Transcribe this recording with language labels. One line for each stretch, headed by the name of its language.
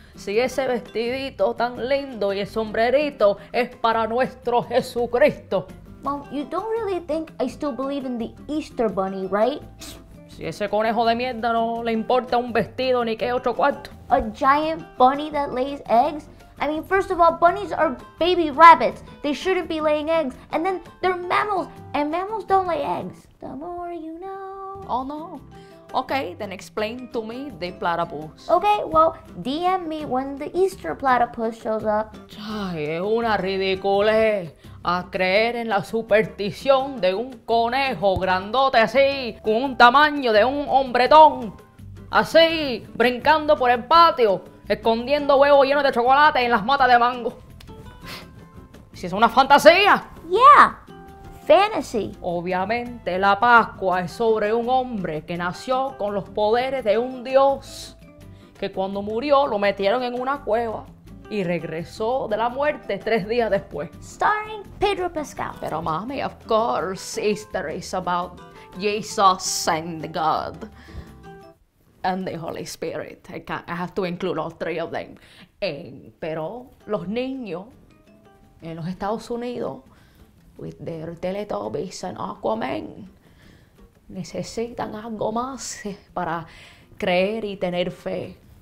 Spanish: Si ese vestidito tan lindo y el sombrerito es para nuestro Jesucristo.
English: Mom, you don't really think I still believe in the Easter bunny, right?
Spanish: Si ese conejo de mierda no le importa un vestido ni qué otro cuarto.
English: A giant bunny that lays eggs? I mean, first of all, bunnies are baby rabbits. They shouldn't be laying eggs. And then they're mammals, and mammals don't lay eggs. The more you know. Oh, no. Okay, then explain to me the platypus. Okay, well, DM me when the Easter platypus shows up.
Spanish: Ay, es una ridiculez a creer en la superstición de un conejo grandote así, con un tamaño de un hombretón, así, brincando por el patio. Escondiendo huevos llenos de chocolate en las matas de mango. ¡Si es una fantasía!
English: Yeah, fantasy.
Spanish: Obviamente la Pascua es sobre un hombre que nació con los poderes de un dios. Que cuando murió lo metieron en una cueva. Y regresó de la muerte 3 días después.
English: Starring Pedro Pascal.
Spanish: Pero mami,
English: of course Easter is about Jesus and God. And the Holy Spirit. I have to include all three of them.
Spanish: Pero los niños en los Estados Unidos,
English: with their Teletubbies and Aquaman,
Spanish: necesitan algo más para creer y tener fe.